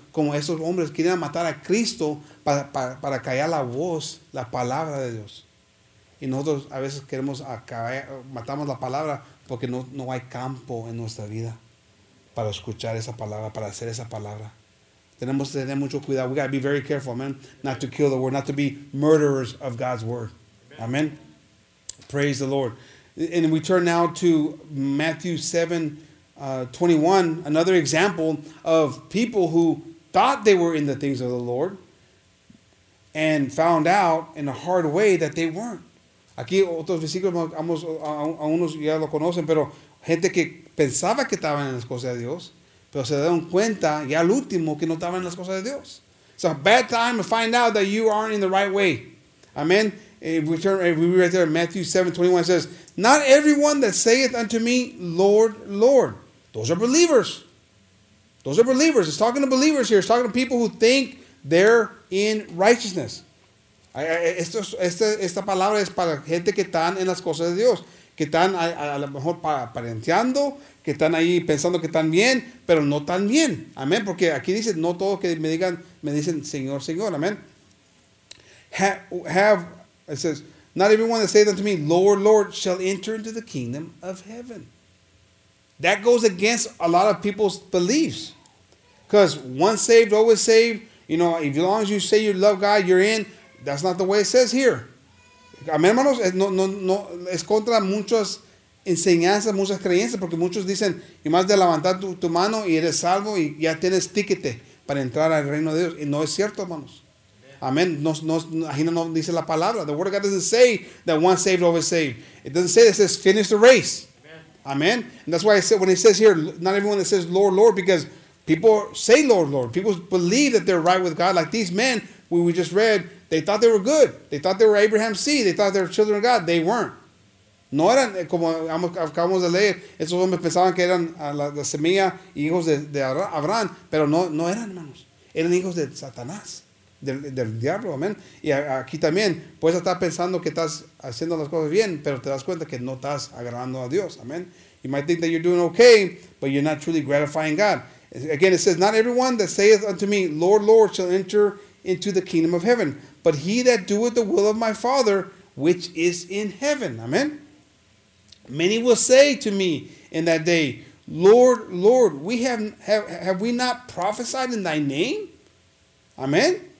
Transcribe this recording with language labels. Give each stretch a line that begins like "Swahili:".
Spanish: Como esos hombres querían matar a Cristo para callar la voz, la palabra de Dios. Y nosotros a veces queremos matamos la palabra porque no hay campo en nuestra vida para escuchar esa palabra, para hacer esa palabra. Tenemos que tener mucho cuidado.
English: We got to be very careful, amen, not to kill the word, not to be murderers of God's word. Amen. Praise the Lord. And we turn now to Matthew 7, 21, another example of people who thought they were in the things of the Lord and found out in a hard way that they weren't.
Spanish: Aquí otros versículos, a unos ya lo conocen, pero gente que pensaba que estaban en las cosas de Dios, pero se dieron cuenta ya al último que no estaban en las cosas de Dios.
English: It's a bad time to find out that you aren't in the right way. Amen. If we read right there, Matthew 7:21 says, "Not everyone that saith unto me, Lord, Lord." Those are believers. Those are believers. It's talking to believers here. It's talking to people who think they're in righteousness.
Spanish: Esta palabra es para gente que están en las cosas de Dios, que están a lo mejor parenteando, que están ahí pensando que están bien, pero no tan bien. Amén. Porque aquí dice, no todos que me digan, me dicen, Señor, Señor. Amén.
English: It says, not everyone that saith unto me, Lord, Lord, shall enter into the kingdom of heaven. That goes against a lot of people's beliefs. Because once saved, always saved. You know, as long as you say you love God, you're in. That's not the way it says here. Amén, hermanos.
Spanish: No, es contra muchas enseñanzas, muchas creencias, porque muchos dicen, y más de levantar tu mano y eres salvo y ya tienes tiquete para entrar al reino de Dios. Y no es cierto, hermanos. Amen. No dice la palabra.
English: The word of God doesn't say that once saved, always saved. It doesn't say that. It says finish the race. Amen. And that's why I said, when it says here, not everyone that says Lord, Lord, because people say Lord, Lord. People believe that they're right with God. Like these men we just read, they thought they were good. They thought they were Abraham's seed. They thought they were children of God. They weren't.
Spanish: No eran, como acabamos de leer, esos hombres pensaban que eran la semilla hijos de Abraham, pero no eran, hermanos. Eran hijos de Satanás. Del diablo, amén. Y aquí también puedes estar pensando que estás haciendo las cosas bien, pero te das cuenta que no estás agradando a Dios, amén.
English: You might think that you're doing okay, but you're not truly gratifying God. Again, it says, not everyone that saith unto me, Lord, Lord, shall enter into the kingdom of heaven, but he that doeth the will of my Father, which is in heaven, amén. Many will say to me in that day, Lord, Lord, have we not prophesied in thy name? Amén.